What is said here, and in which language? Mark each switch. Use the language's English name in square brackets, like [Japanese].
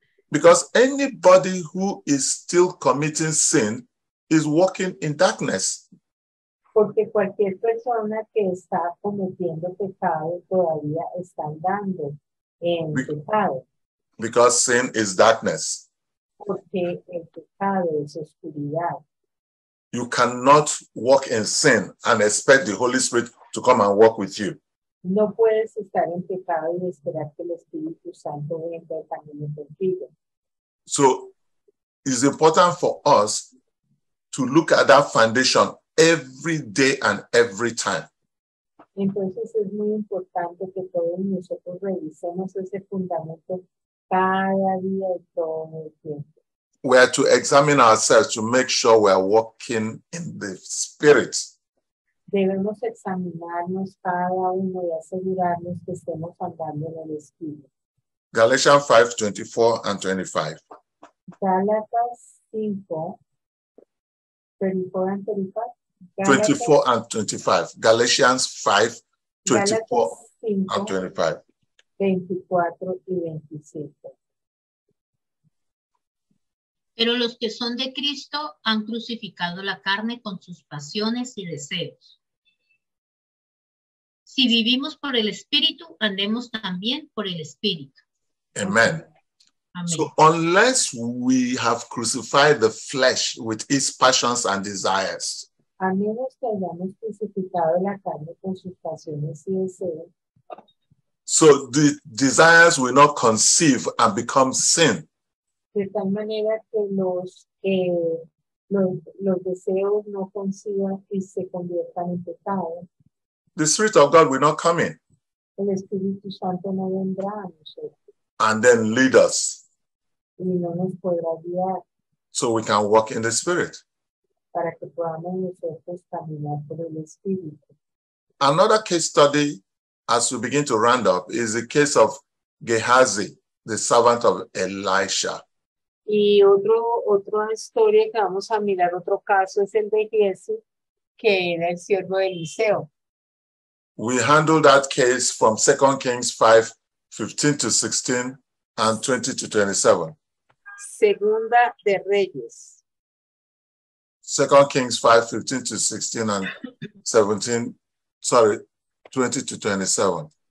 [English] Because anybody who is still committing sin is walking in darkness. [Spanish] Porque cualquier persona que está cometiendo pecado todavía está andando en pecado. [English] Because sin is darkness. [Spanish] Porque el pecado es oscuridad. [English] You cannot walk in sin and expect the Holy Spirit to come and walk with you. [Spanish] No puedes estar en pecado y esperar que el Espíritu Santo venga también contigo. [English] So, it's important for us to look at that foundation every day and every time. [Spanish] Entonces es muy importante que todos nosotros revisemos ese fundamento cada día y todo el tiempo. [English] We are to examine ourselves to make sure we are walking in the Spirit. [Spanish] Debemos examinarnos cada uno y asegurarnos que estemos andando en el Espíritu. [English] Galatians 5:24 and 25. [Spanish] Galatas 5, 24 and 25. [English] 24 and 25. Galatians 5, 24 and 25. [Spanish] 24 y 25. Pero los que son de Cristo han crucificado la carne con sus pasiones y deseos. Si vivimos por el Espíritu, andemos también por el Espíritu. [English] Amen. So unless we have crucified the flesh with its passions and desires, [Spanish] a menos que hayamos crucificado la carne con sus pasiones y deseos, [English] so the desires will not conceive and become sin. [Spanish] De tal manera que los deseos no conciban y se conviertan en pecado. [English] The Spirit of God will not come in. [Spanish] El Espíritu Santo no vendrá a nosotros. [English] And then lead us. [Spanish] Y no nos podrá guiar. [English] So we can walk in the Spirit. [Spanish] Para que podamos nosotros caminar por el Espíritu. [English] Another case study, as we begin to round up, is the case of Gehazi, the servant of Elisha. [Spanish] Y otro historia que vamos a mirar, otro caso, es el de Gehazi, que era el siervo de Eliseo. [English] We handle that case from 2 Kings 5, 15 to 16 and 20 to 27. [Spanish] Segunda de Reyes. [English] 2 Kings 5, 15 to 16 and 17, sorry, 20 to 27.